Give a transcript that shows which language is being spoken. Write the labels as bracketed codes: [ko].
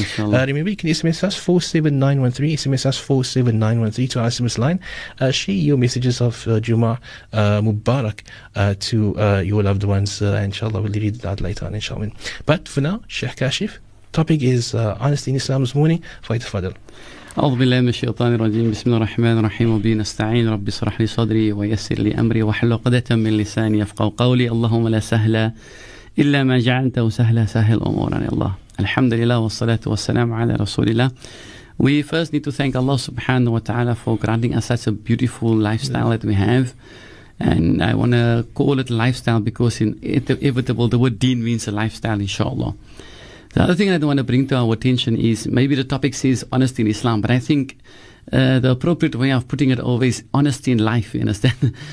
[en] Remember, you can SMS us 47913, SMS us 47913 to our SMS line. Share your messages of Juma Mubarak to your loved ones, inshallah, we'll read that later on, inshallah. But for now, Sheikh KAASHIEF, topic is honesty in Islam this morning. Faith Fadl. [ar] أعوذ بالله من الشيطان الرجيم بسم الله الرحمن الرحيم وبنستعين ربي اشرح لي صدري ويسر لي امري واحلل عقده من لساني يفقهوا قولي اللهم لا سهل الا ما جعلته سهلا سهل امورنا يا الله الحمد لله والصلاه والسلام على رسول الله. [en] We first need to thank Allah subhanahu wa ta'ala for granting us such a beautiful lifestyle that we have, and I want to call it lifestyle because in inevitable the word deen means a lifestyle, inshallah. The other thing I want to bring to our attention is, maybe the topic says honesty in Islam, but I think the appropriate way of putting it always, honesty in life, you understand?